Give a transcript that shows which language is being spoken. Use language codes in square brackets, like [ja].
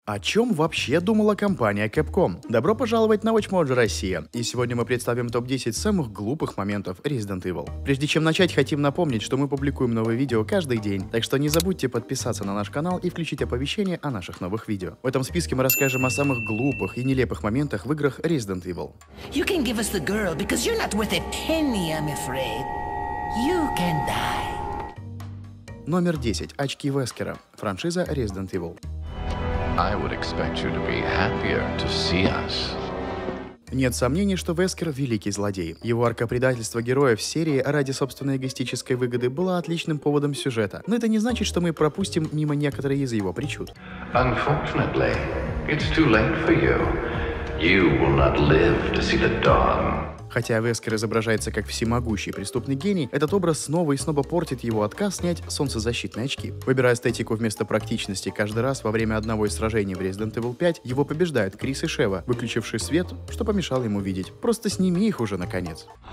[ru] О чем вообще думала компания Capcom? Добро пожаловать на WatchMojo Россия, и сегодня мы представим топ-10 самых глупых моментов Resident Evil. Прежде чем начать, хотим напомнить, что мы публикуем новые видео каждый день, так что не забудьте подписаться на наш канал и включить оповещение о наших новых видео. В этом списке мы расскажем о самых глупых и нелепых моментах в играх Resident Evil. [en] You can give us the girl, because you're not worth a penny, I'm afraid. [ru] You can die. Номер 10. Очки Вескера. Франшиза Resident Evil. [en] I would expect you to be happier to see us. [ru] Нет сомнений, что Вескер – великий злодей. Его арка предательства героев серии ради собственной эгоистической выгоды была отличным поводом сюжета. Но это не значит, что мы пропустим мимо некоторые из его причуд. [en] Unfortunately, it's too late for you. You will not live to see the dawn. [ru] Хотя Вескер изображается как всемогущий преступный гений, этот образ снова и снова портит его отказ снять солнцезащитные очки. Выбирая эстетику вместо практичности каждый раз во время одного из сражений в Resident Evil 5, его побеждают Крис и Шева, выключивший свет, что помешало ему видеть. Просто сними их уже, наконец.